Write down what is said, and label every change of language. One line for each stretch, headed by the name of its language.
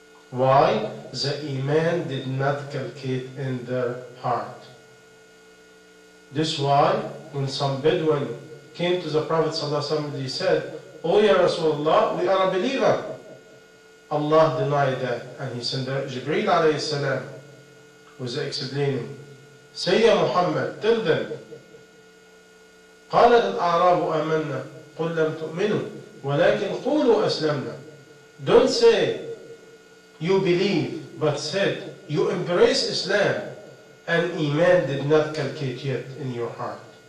English: Why? The Iman did not calculate in their heart. This is why when some Bedouin came to the Prophet sallallahu alaihi wasallam and he said, "Oh ya Rasulullah, we are a believer." Allah denied that, and he sent Jibreel alayhi salam, was explaining, "Say ya Muhammad, tell them."
Arabic: قال الأعراب آمنا قل لم تؤمنوا ولكن قولوا أسلمنا.
English: Don't say you believe, but said you embrace Islam, and Iman did not calculate yet in your heart.